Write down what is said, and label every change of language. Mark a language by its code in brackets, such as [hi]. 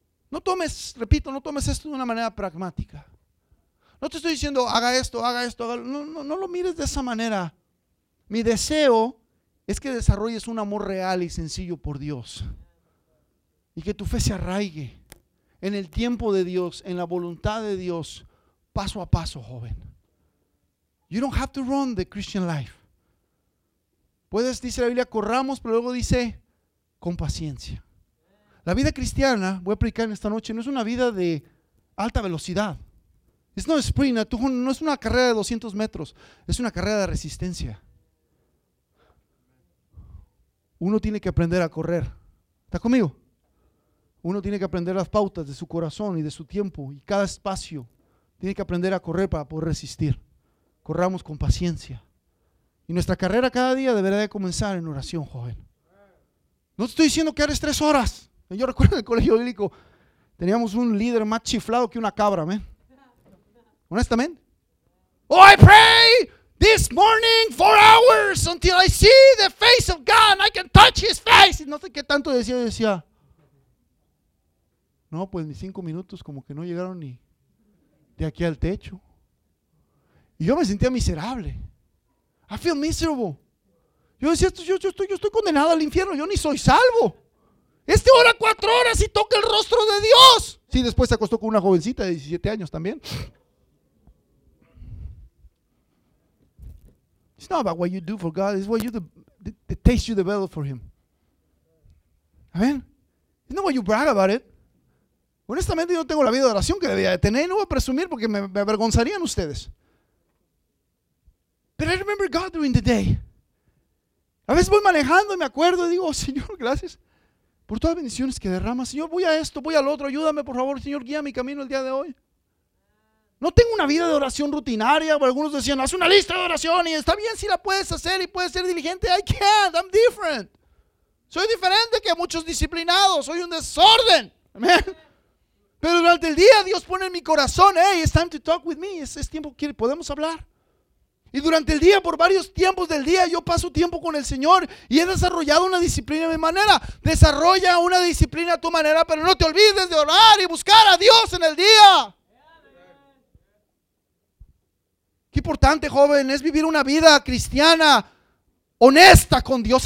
[es] No tomes, repito, no tomes esto de una manera pragmática. No te estoy diciendo haga esto, haga esto, haga... No lo mires de esa manera. Mi deseo es que desarrolles un amor real y sencillo por Dios. Y que tu fe se arraigue en el tiempo de Dios, en la voluntad de Dios, paso a paso, joven. [en] You don't have to run the Christian life. [es] Puedes, dice la Biblia, corramos, pero luego dice, con paciencia. La vida cristiana, voy a predicar en esta noche, no es una vida de alta velocidad. [en] It's not a sprint, [es] no es una carrera de 200 metros, es una carrera de resistencia. Uno tiene que aprender a correr. ¿Está conmigo? Uno tiene que aprender las pautas de su corazón y de su tiempo y cada espacio. Tiene que aprender a correr para poder resistir. Corramos con paciencia. Y nuestra carrera cada día deberá de comenzar en oración, joven. No te estoy diciendo que eres 3 horas. Yo recuerdo en el colegio bíblico, teníamos un líder más chiflado que una cabra, ¿amén? ¿Honestamente? [en] Oh, I pray this morning, 4 hours, until I see the face of God and I can touch his face. [es] No sé qué tanto decía, decía. No, pues mis 5 minutos como que no llegaron ni de aquí al techo. Y yo me sentía miserable. [en] I feel miserable. [es] Yo decía, yo estoy condenado al infierno, yo ni soy salvo. Este hora 4 horas y toca el rostro de Dios. Sí, después se acostó con una jovencita de 17 años también. [en] It's not about what you do for God. It's what you the taste you develop for Him. Amen. It's not what you brag about it. [es] Honestamente, yo no tengo la vida de oración que debía de tener. No voy a presumir porque me avergonzarían ustedes. [en] But I remember God during the day. [es] A veces voy manejando y me acuerdo y digo, oh, Señor, gracias por todas las bendiciones que derramas. Señor, voy a esto, voy al otro. Ayúdame, por favor. Señor, guía mi camino el día de hoy. No tengo una vida de oración rutinaria. Algunos decían, haz una lista de oración. Y está bien si la puedes hacer y puedes ser diligente. [en] I can't, I'm different. [es] Soy diferente que muchos disciplinados. Soy un desorden. Amen. Pero durante el día Dios pone en mi corazón, [en] hey, it's time to talk with me. [es] Es tiempo que podemos hablar. Y durante el día, por varios tiempos del día, yo paso tiempo con el Señor. Y he desarrollado una disciplina a mi manera. Desarrolla una disciplina a tu manera. Pero no te olvides de orar y buscar a Dios en el día. Qué importante, joven, es vivir una vida cristiana, honesta con Dios.